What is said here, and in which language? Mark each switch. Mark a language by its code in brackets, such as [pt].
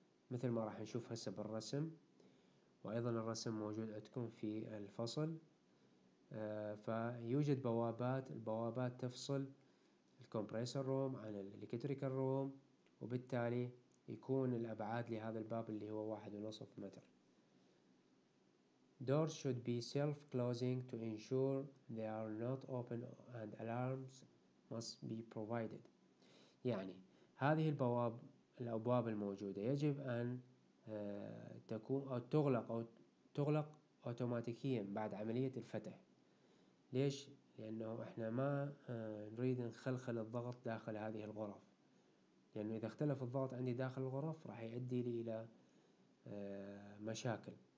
[ar] مثل ما راح نشوف هسه بالرسم، وأيضا الرسم موجود عندكم في الفصل. فيوجد بوابات، البوابات تفصل الكمبريسر روم عن الإلكتريكال روم، وبالتالي يكون الأبعاد لهذا الباب اللي هو 1.5 متر. [en] Doors should be self-closing to ensure they are not open and alarms must be provided. [ar] يعني هذه البواب، الأبواب الموجودة يجب أن تكون أو تغلق أو تغلق أوتوماتيكيا بعد عملية الفتح. ليش؟ لأنه إحنا ما نريد نخلخل الضغط داخل هذه الغرف، لأنه إذا اختلف الضغط عندي داخل الغرف راح يؤدي لي إلى مشاكل.